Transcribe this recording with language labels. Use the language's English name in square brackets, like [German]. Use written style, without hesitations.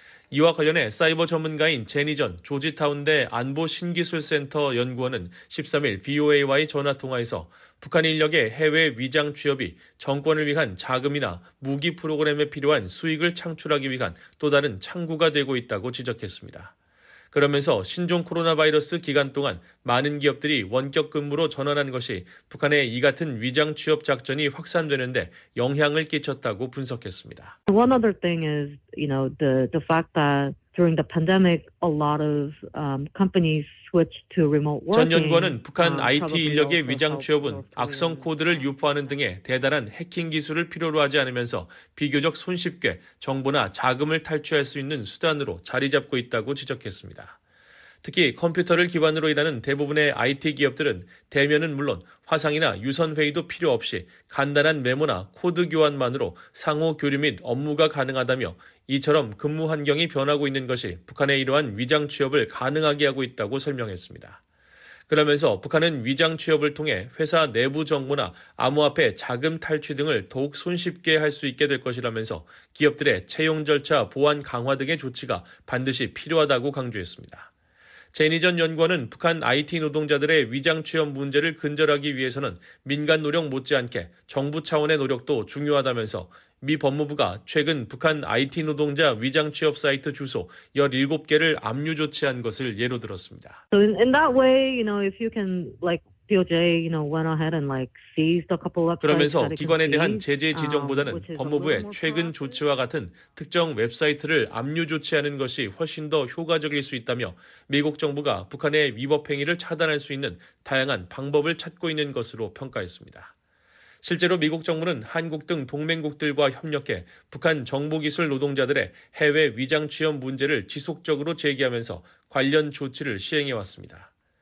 [Korean] 이와 관련해 사이버 전문가인 제니전 조지타운대 안보신기술센터 연구원은 13일 VOA와의 전화통화에서 북한 인력의 해외 위장 취업이 정권을 위한 자금이나 무기 프로그램에 필요한 수익을 창출하기 위한 또 다른 창구가 되고 있다고 지적했습니다. 그러면서 신종 코로나 바이러스 기간 동안 많은 기업들이 원격 근무로 전환한 것이 북한의 이 같은 위장 취업 작전이 확산되는 데 영향을 끼쳤다고 분석했습니다. [English] One other thing is, you know, the fact that during the pandemic, a lot of companies switched to remote working. [Korean] 전 연구원은 북한 IT 인력의 위장 취업은 악성 코드를 유포하는 등의 대단한 해킹 기술을 필요로 하지 않으면서 비교적 손쉽게 정보나 자금을 탈취할 수 있는 수단으로 자리 잡고 있다고 지적했습니다. 특히 컴퓨터를 기반으로 일하는 대부분의 IT 기업들은 대면은 물론 화상이나 유선 회의도 필요 없이 간단한 메모나 코드 교환만으로 상호 교류 및 업무가 가능하다며 이처럼 근무 환경이 변하고 있는 것이 북한의 이러한 위장 취업을 가능하게 하고 있다고 설명했습니다. 그러면서 북한은 위장 취업을 통해 회사 내부 정보나 암호화폐 자금 탈취 등을 더욱 손쉽게 할 수 있게 될 것이라면서 기업들의 채용 절차 보안 강화 등의 조치가 반드시 필요하다고 강조했습니다. 제니 전 연구원은 북한 IT 노동자들의 위장 취업 문제를 근절하기 위해서는 민간 노력 못지않게 정부 차원의 노력도 중요하다면서 미 법무부가 최근 북한 IT 노동자 위장 취업 사이트 주소 17개를 압류 조치한 것을 예로 들었습니다. [English] So in that way, you know, if you can like DOJ, you know, went ahead and like seized a couple websites. [Korean] 그러면서 기관에 대한 제재 지정보다는 법무부의 최근 조치와 같은 특정 웹사이트를 압류 조치하는 것이 훨씬 더 효과적일 수 있다며 미국 정부가 북한의 위법 행위를 차단할 수 있는 다양한 방법을 찾고 있는 것으로 평가했습니다. 실제로 미국 정부는 한국 등 동맹국들과 협력해 북한 정보기술 노동자들의 해외 위장 취업 문제를 지속적으로 제기하면서 관련 조치를 시행해왔습니다.